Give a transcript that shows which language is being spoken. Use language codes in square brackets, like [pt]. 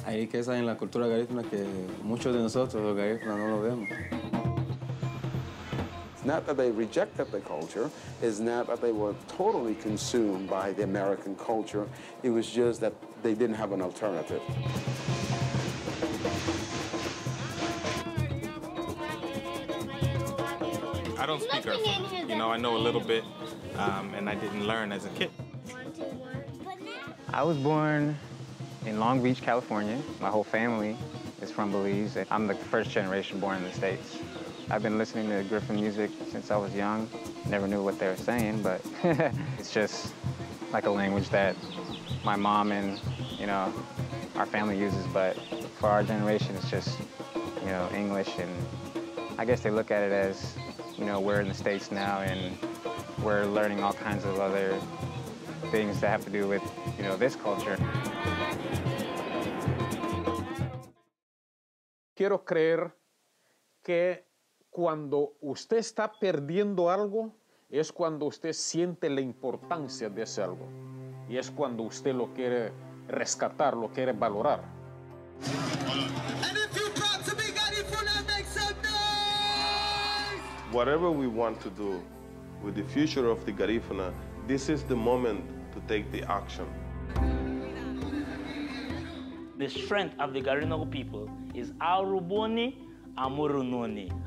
[es] Que esa en la cultura garífuna que muchos de nosotros los garífunas no lo vemos. [en] It's not that they rejected the culture, it's not that they were totally consumed by the American culture, it was just that they didn't have an alternative. I don't speak Garifuna. You know, I know a little bit, and I didn't learn as a kid. I was born in Long Beach, California. My whole family is from Belize. I'm the first generation born in the States. I've been listening to Garifuna music since I was young. Never knew what they were saying, but it's just like a language that my mom and, you know, our family uses, but for our generation, it's just, you know, English. And I guess they look at it as, you know, we're in the States now and we're learning all kinds of other things that have to do with, you know, this culture. [es] Quiero creer que cuando usted está perdiendo algo, es cuando usted siente la importancia de ese algo. Y es cuando usted lo quiere rescatar, lo quiere valorar. [en] And if you're proud to be Garifuna, make some noise! Whatever we want to do with the future of the Garifuna, this is the moment to take the action. The strength of the Garifuna people is Aruboni Amurunoni.